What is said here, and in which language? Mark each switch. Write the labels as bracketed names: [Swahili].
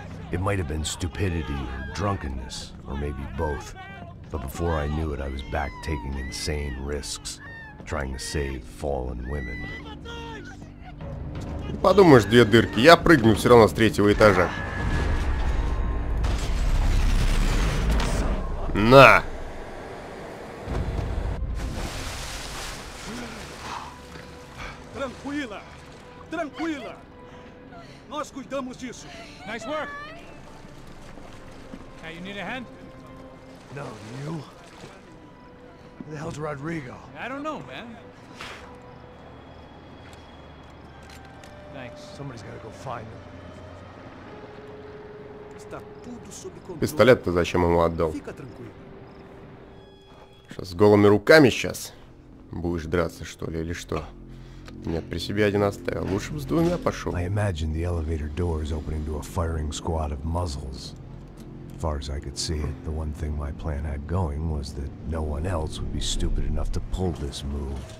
[English] It might have been stupidity, or drunkenness, or maybe both. But before I knew it, I was back taking insane risks, trying to save fallen women. [Russian] Подумаешь, две дырки. Я прыгну все равно с третьего этажа. На! [Portuguese] Tranquila! Tranquila! Nós cuidamos disso! [English] Nice work! Hey, you need a hand? No, you? Who the hell's Rodrigo? I don't know, man. Thanks. Somebody's gotta go find him. [Russian] Пистолет-то зачем ему отдал? Сейчас с голыми руками сейчас будешь драться, что ли, или что? Нет, при себе один оставил. Лучше бы с двумя пошел. [English] I imagine the elevator door is opening to a firing squad of muzzles. As far as I could see it, the one thing my plan had going was that no one else would be stupid enough to pull this move.